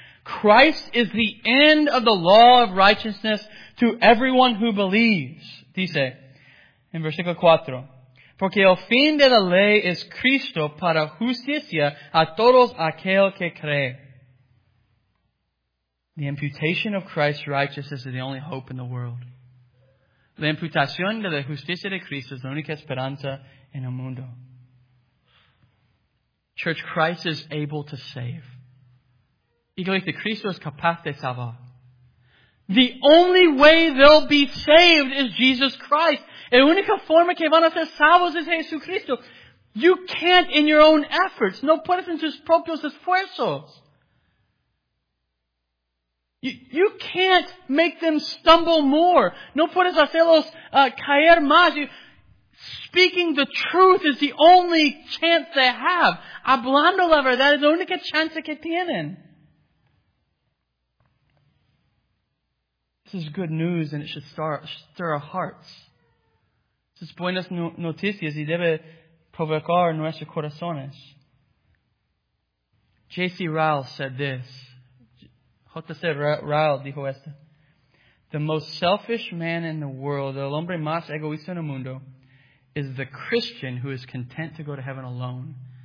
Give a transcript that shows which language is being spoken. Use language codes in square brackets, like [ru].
[en] Christ is the end of the law of righteousness to everyone who believes. [es] Dice en versículo 4. Porque el fin de la ley es Cristo para justicia a todos aquel que cree. [en] The imputation of Christ's righteousness is the only hope in the world. [es] La imputación de la justicia de Cristo es la única esperanza en el mundo. [en] Church, Christ is able to save. [es] Iglesia, Cristo es capaz de salvar. [en] The only way they'll be saved is Jesus Christ. [es] La única forma que van a ser salvos es Jesucristo. [en] You can't in your own efforts. [es] No puedes en tus propios esfuerzos. [en] You can't make them stumble more. No puedes hacerlos caer más. Speaking the truth is the only chance they have. [es] Hablando la verdad es la única chance que tienen. [en] This is good news and it should stir our hearts. [es] Es buenas noticias y debe provocar nuestros corazones. [en] J.C. Ryle said this. [es] J.C. Ryle dijo esto. [en] The most selfish man in the world, [es] el hombre más egoísta en el mundo, [en] is the Christian who is content to go to heaven alone.